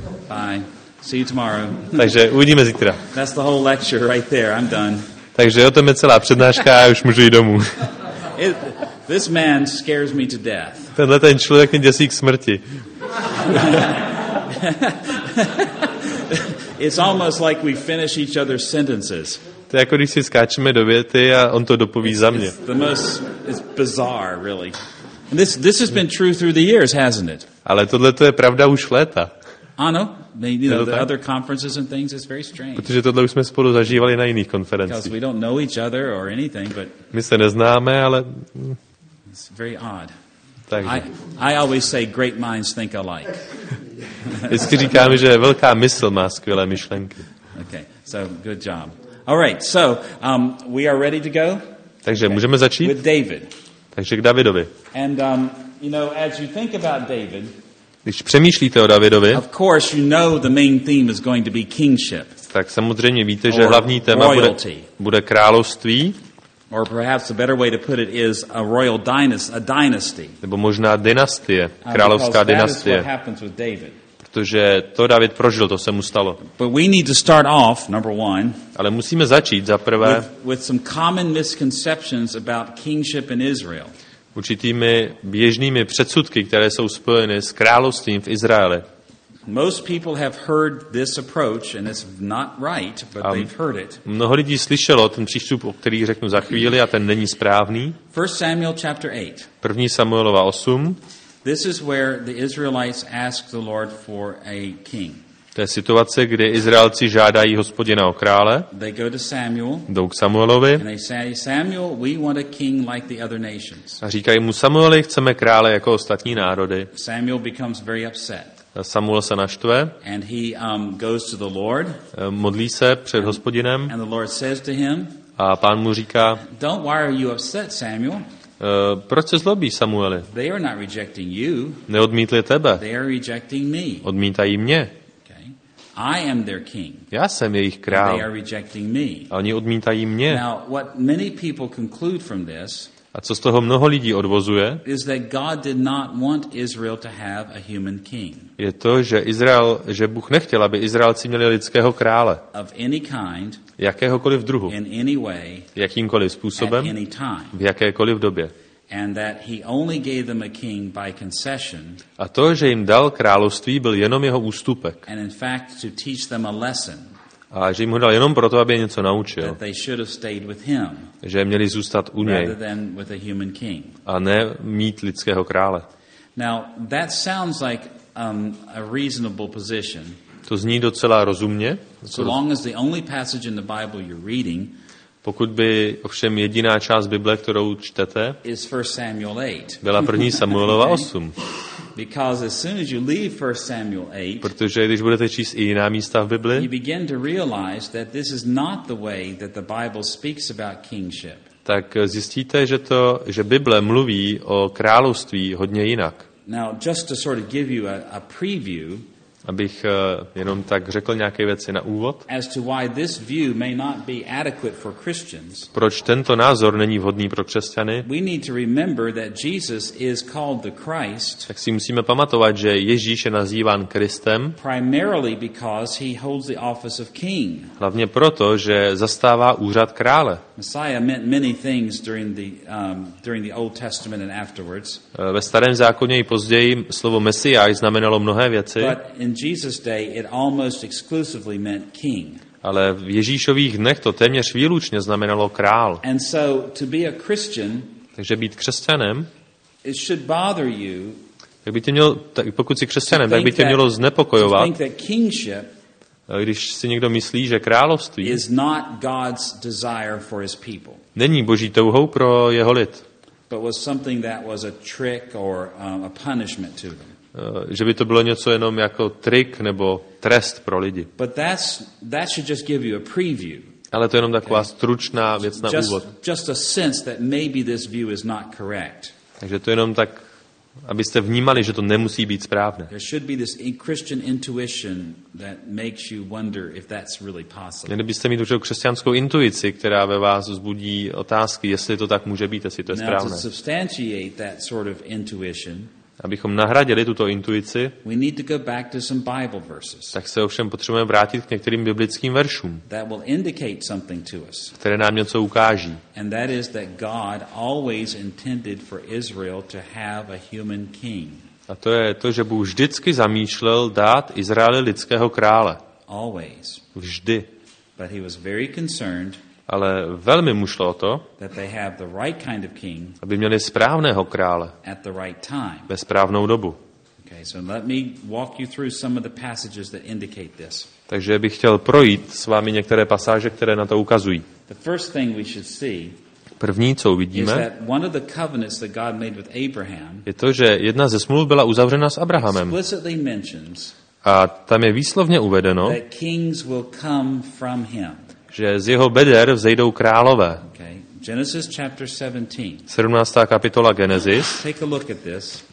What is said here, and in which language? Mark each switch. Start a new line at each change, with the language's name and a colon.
English: Bye. See you tomorrow.
Czech: Takže uvidíme zítra.
English: That's the whole lecture right there. I'm done.
Czech: Takže o tom je celá přednáška a už můžu jít domů.
English: This man scares me to death.
Czech: Tenhle ten člověk mě děsí k smrti.
English: It's almost like we finish each other's sentences.
Czech: To je jako když si skáčeme do věty a on to dopoví za mě.
English: It's bizarre, really. And this has been true through the years, hasn't it?
Czech: Ale tohle to je pravda už léta. Ano,
English: maybe you know, the other conferences and things is very strange.
Czech: Protože tohle už jsme spolu zažívali na jiných konferencích.
English: Because we don't know each other or anything, but
Czech: my se neznáme, ale
English: it's very odd.
Czech: Takže.
English: I always say great minds think alike.
Czech: Vždycky říkám, že velká mysl má skvělé myšlenky.
English: Okay. So good job. All right. So, we are ready to go?
Czech: Takže okay. Můžeme začít?
English: With David.
Czech: Takže k Davidovi.
English: And you know, as you think about David,
Czech: když přemýšlíte o Davidovi,
English: of course you know the main theme is going to be kingship.
Czech: Tak samozřejmě víte, že hlavní téma bude království.
English: Or perhaps a better way to put it is a royal dynasty, a dynasty.
Czech: Nebo možná dynastie, královská dynastie.
English: What happens with David.
Czech: Protože to David prožil, to se mu stalo.
English: But we need to start off, number one,
Czech: ale musíme začít za prvé
English: with some common misconceptions about kingship in Israel.
Czech: Určitými běžnými předsudky, které jsou spojeny s královstvím v Izraeli.
English: Most people have heard this approach and it's not right, but they've heard it.
Czech: Mnoho lidí slyšelo ten přístup, o který řeknu za chvíli, a ten není správný.
English: 1 Samuel chapter 8.
Czech: 1. Samuelova 8.
English: This is where the Israelites ask the Lord for a king.
Czech: To je situace, kdy Izraelci žádají Hospodina o krále.
English: They go to Samuel.
Czech: Jdou k Samuelovi.
English: And they say, Samuel, we want a king like the other nations.
Czech: A říkají mu: Samueli, chceme krále jako ostatní národy.
English: Samuel becomes very upset.
Czech: Samuel se naštve.
English: And he goes to the Lord.
Czech: Modlí se před Hospodinem.
English: And the Lord says to him.
Czech: A Pán mu říká:
English: Don't worry, you upset Samuel.
Czech: Proč se zlobí, Samueli?
English: They are not rejecting you.
Czech: Neodmítli tebe.
English: They are rejecting me.
Czech: Odmítají mě.
English: Okay. I am their king.
Czech: Já jsem jejich král.
English: And they are rejecting me.
Czech: A oni odmítají mě.
English: Now, what many people conclude from this,
Czech: a co z toho mnoho lidí odvozuje,
English: is that God did not want Israel to have a human king.
Czech: Je to, že Izrael, že Bůh nechtěl, aby Izraelci měli lidského krále.
English: Of any kind,
Czech: jakéhokoliv druhu.
English: In any way,
Czech: jakýmkoliv způsobem.
English: At any time.
Czech: V jakékoliv době.
English: And that he only gave them a king by concession.
Czech: A to, že jim dal království, byl jenom jeho ústupek.
English: And in fact to teach them a lesson.
Czech: A že jim ho dal jenom proto, aby je něco naučil.
English: That they should have stayed with him,
Czech: že měli zůstat u něj.
English: Rather than with a human king.
Czech: A ne mít lidského krále.
English: Now that sounds like a reasonable position.
Czech: To zní docela rozumně.
English: So long as the only passage in the Bible you're reading,
Czech: pokud by ovšem jediná část Bible, kterou čtete,
English: is 1 Samuel 8.
Czech: Byla 1. Samuelova 8.
English: Because as soon as you leave 1 Samuel 8,
Czech: protože když budete číst i jiná místa v Bibli,
English: you begin to realize that this is not the way that the Bible speaks about kingship.
Czech: Tak zjistíte, že to, že Bible mluví o království hodně jinak.
English: Now, just to sort of give you a preview,
Czech: abych jenom tak řekl nějaké věci na úvod,
English: as to why this view may not be adequate for Christians,
Czech: proč tento názor není vhodný pro křesťany,
English: we need to remember that Jesus is called the Christ,
Czech: tak si musíme pamatovat, že Ježíš je nazýván Kristem,
English: primarily because he holds the office of king.
Czech: Hlavně proto, že zastává úřad krále.
English: Messiah meant many things during the Old Testament and afterwards.
Czech: Ve starém zákoně i později slovo Mesiáš znamenalo mnohé věci.
English: In Jesus' day, it almost exclusively meant king.
Czech: Ale v Ježíšových dnech to téměř výlučně znamenalo král.
English: And so, to be a Christian,
Czech: takže být křesťanem,
English: it should bother you,
Czech: tak by tě mělo, tak pokud jsi křesťanem, tak by tě mělo znepokojovat,
English: to think that kingship,
Czech: když si někdo myslí, že království,
English: is not God's desire for his people.
Czech: Není Boží touhou pro jeho lid.
English: but was something that was a trick or a punishment to them.
Czech: Že by to bylo něco jenom jako trik nebo trest pro lidi.
English: But that should just give you a preview.
Czech: Ale to je jenom taková stručná věc na úvod.
English: Just a sense that maybe this view is not correct.
Czech: Takže to je jenom tak, abyste vnímali, že to nemusí být správné.
English: There should be this Christian intuition that makes you wonder if that's really possible.
Czech: Měli byste mít určitou křesťanskou intuici, která ve vás vzbudí otázky, jestli to tak může být, jestli to je správné.
English: Now to substantiate that sort of intuition.
Czech: Abychom nahradili tuto intuici,
English: we need to go back to some Bible verses,
Czech: tak se ovšem potřebujeme vrátit k některým biblickým veršům,
English: that will indicate something to us,
Czech: které nám něco ukáží.
English: And that is that God always intended for Israel to have a human king.
Czech: A to je to, že Bůh vždycky zamýšlel dát Izraeli lidského krále.
English: Always.
Czech: Vždy.
English: But he was very concerned,
Czech: ale velmi mu šlo o to,
English: that they have the right kind of king,
Czech: aby měli správného krále
English: at the right time,
Czech: ve správnou dobu.
English: Okay, so let me walk you through some of the passages that indicate this.
Czech: Takže bych chtěl projít s vámi některé pasáže, které na to ukazují.
English: The first thing we should see,
Czech: první, co uvidíme,
English: is that one of the covenants that God made with Abraham,
Czech: je to, že jedna ze smluv byla uzavřena s Abrahamem.
English: Explicitly mentions,
Czech: a tam je výslovně uvedeno,
English: that kings will come from him,
Czech: že z jeho beder vzejdou králové.
English: Okay. Genesis chapter 17.
Czech: 17. kapitola Genesis.
English: Take a look at this.